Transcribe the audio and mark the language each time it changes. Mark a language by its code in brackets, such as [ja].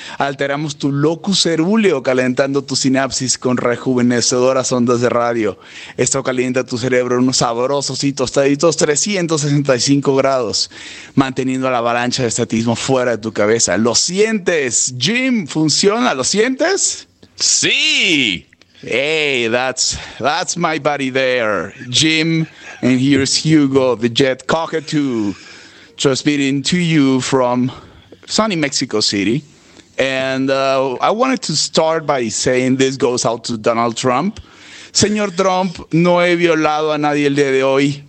[es] Alteramos tu locus cerúleo, calentando tu sinapsis con rejuvenecedoras ondas de radio. Esto calienta tu cerebro en unos sabrosos y tostaditos 365 grados, manteniendo la avalancha de estatismo fuera de tu cabeza. ¿Lo sientes, Jim? ¿Funciona? ¿Lo sientes? ¡Sí! [en] Hey, that's my buddy there, Jim, and here's Hugo, the jet cockatoo, transmitting to you from sunny Mexico City, and I wanted to start by saying this goes out to Donald Trump. [es] Señor Trump, no he violado a nadie el día de hoy.